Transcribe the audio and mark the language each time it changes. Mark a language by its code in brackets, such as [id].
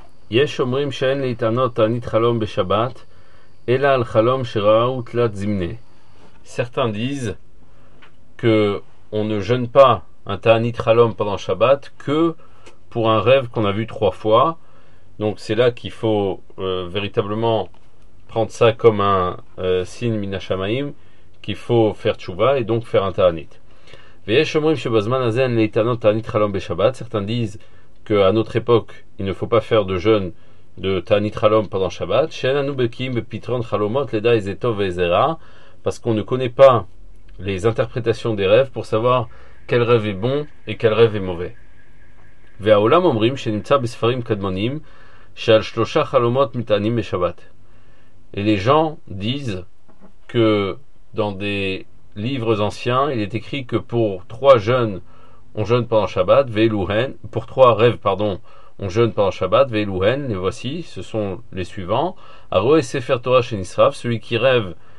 [he] יש אומרים שאין להתענות תענית חלום בשבת, אלא על חלום שראו תלת זמנה. [fr] Certains disent que on ne jeûne pas un תענית חלום pendant Shabbat que pour un rêve qu'on a vu trois fois. Donc c'est là qu'il faut véritablement prendre ça comme un signe min ha-shamayim qu'il faut faire tshuva et donc faire un תענית. [he] ויש אומרים שבזמן הזה אין להתענות תענית חלום בשבת. [fr] Certains disent qu'à notre époque, il ne faut pas faire de jeûne de תענית חלום pendant Shabbat. [he] שאין לנו בקיאים בפתרון חלומות לדע איזה טוב ואיזה רע, [fr] parce qu'on ne connaît pas les interprétations des rêves pour savoir quel rêve est bon et quel rêve est mauvais. [he] והעולם אומרים שנמצא בספרים קדמונים שעל שלושה חלומות מתענים בשבת. [fr] Et les gens disent que dans des livres anciens, il est écrit que pour trois jeûnes, on jeûne pendant Shabbat, Ve'elouhen, pour trois rêves, pardon, on jeûne pendant Shabbat, Ve'elouhen, les voici, ce sont les suivants, Aroé Sefer Torah chez Nisraf, celui qui rêve